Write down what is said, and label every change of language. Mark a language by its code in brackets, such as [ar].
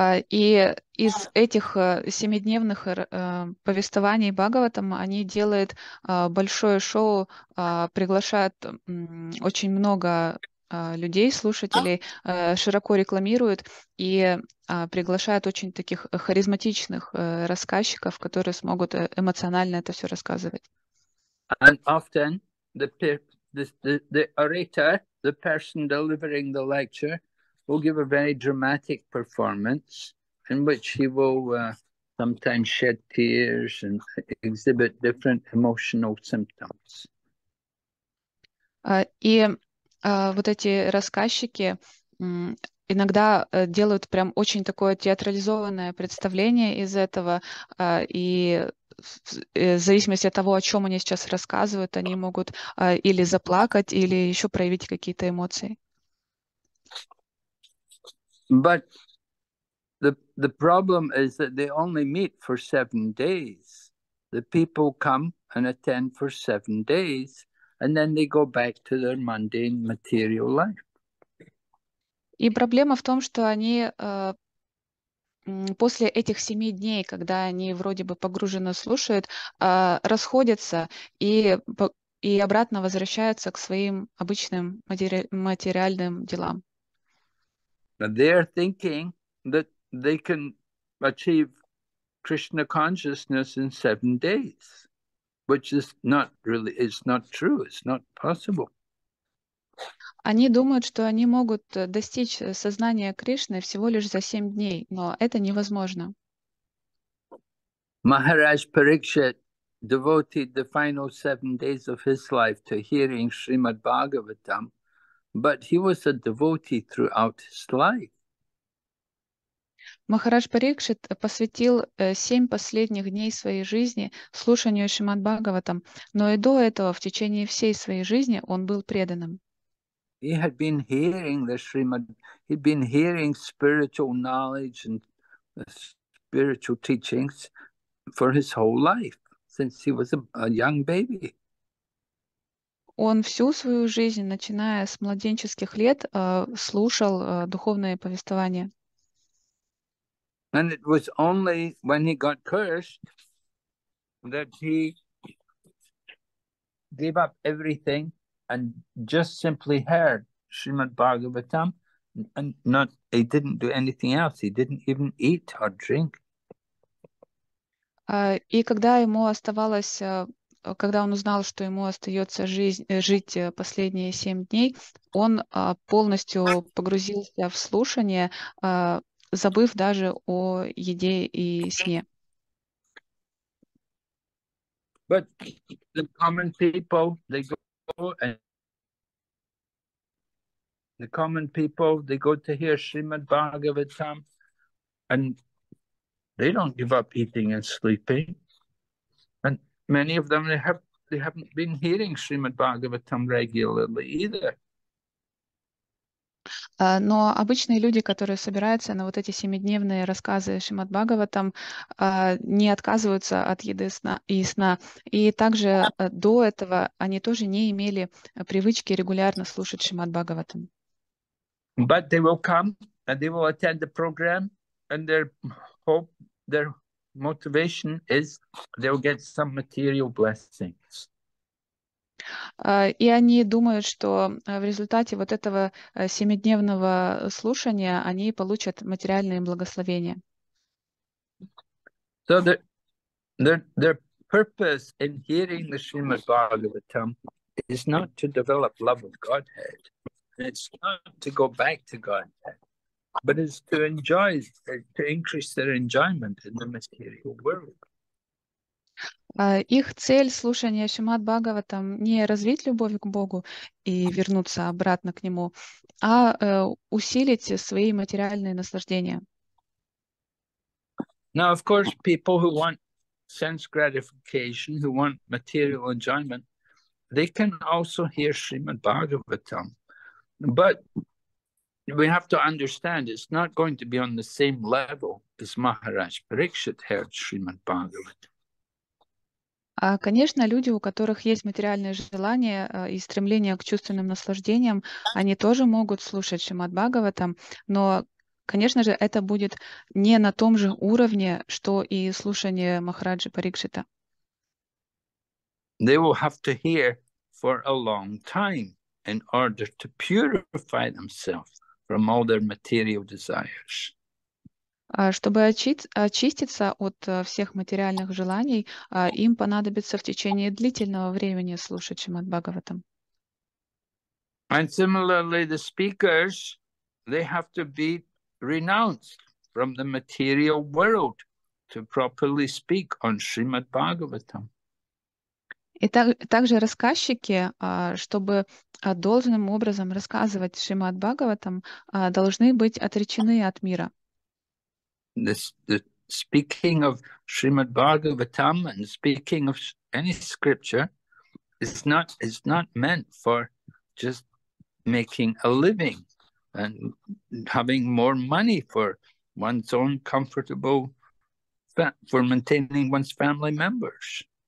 [ru] И из этих семидневных повествований Бхагаватам они делают большое шоу, приглашают очень много людей, слушателей, широко рекламируют и приглашают очень таких харизматичных рассказчиков, которые смогут эмоционально это все рассказывать. [en] And often the orator, the person delivering the lecture, will give a very dramatic performance in which he will sometimes shed tears and exhibit different emotional symptoms. [ru] И вот эти рассказчики иногда делают прям очень такое театрализованное представление из этого, и в зависимости от того, о чем они сейчас рассказывают, они могут или заплакать, или еще проявить какие-то эмоции. [en] But the problem is that they only meet for 7 days. The people come and attend for 7 days, and then they go back to their mundane material life. [ru] И проблема в том, что они после этих 7 дней, когда они вроде бы погруженно слушают, расходятся и обратно возвращаются к своим обычным материальным делам. [en] They are thinking that they can achieve Krishna consciousness in 7 days, which is not really, it's not true, it's not possible. [ru] Они думают, что они могут достичь сознания Кришны всего лишь за 7 дней, но это невозможно. [en] Maharaj Parikshit devoted the final 7 days of his life to hearing Srimad Bhagavatam, but he was a devotee throughout his life. [ru] Махарадж Парикшит посвятил 7 последних дней своей жизни слушанию Шримад Бхагаватам, но и до этого, в течение всей своей жизни, он был преданным. [en] He had been hearing the Srimad, he'd been hearing spiritual knowledge and spiritual teachings for his whole life, since he was a young baby. [ru] Он всю свою жизнь, начиная с младенческих лет, слушал духовное повествование. [en] And it was only when he got cursed that he gave up everything and just simply heard Srimad Bhagavatam, and not, he didn't do anything else. He didn't even eat or drink. [ru] И когда ему оставалось, когда он узнал, что ему остается жить последние 7 дней, он полностью погрузился в слушание, забыв даже о еде и сне. [en] But the common people, they go and the common people, they go to hear Srimad Bhagavatam and they don't give up eating and sleeping. Many of them they haven't been hearing Srimad Bhagavatam regularly either. [ru] Но обычные люди, которые собираются на вот эти семидневные рассказы Шримад Бхагаватам, не отказываются от еды и сна. И также до этого они тоже не имели привычки регулярно слушать Шримад Бхагаватам. [en] But they will come and they will attend the program, and their hope, their motivation is they'll get some material blessings. [ru] И они думают, что в результате вот этого семидневного слушания они получат материальные благословения. [en] So their purpose in hearing the Srimad Bhagavatam is not to develop love of Godhead. It's not to go back to Godhead, but it's to enjoy, to increase their enjoyment in the material world. [ru] Их цель слушания Шримад Бхагаватам не развить любовь к Богу и вернуться обратно к Нему, а усилить свои материальные наслаждения. [en] Now, of course, people who want sense gratification, who want material enjoyment, they can also hear Srimad Bhagavatam. But we have to understand it's not going to be on the same level as Maharaj Parikshit heard Srimad Bhagavatam. [ru] Конечно, люди, у которых есть материальные желания и стремление к чувственным наслаждениям, они тоже могут слушать Шримад Бхагаватам, но, конечно же, это будет не на том же уровне, что и слушание Махараджи Парикшита. [en] They will have to hear for a long time in order to purify themselves from all their material desires. [ru] Чтобы очиститься от всех материальных желаний, им понадобится в течение длительного времени слушать Шримад Бхагаватам. [en] And similarly, the speakers, they have to be renounced from the material world to properly speak on Srimad Bhagavatam. [ru] И также рассказчики, чтобы должным образом рассказывать Шримад Бхагаватам, должны быть отречены от мира. [en] The speaking of Srimad Bhagavatam and speaking of any scripture is not meant for just making a living and having more money for one's own comfortable for maintaining one's family members.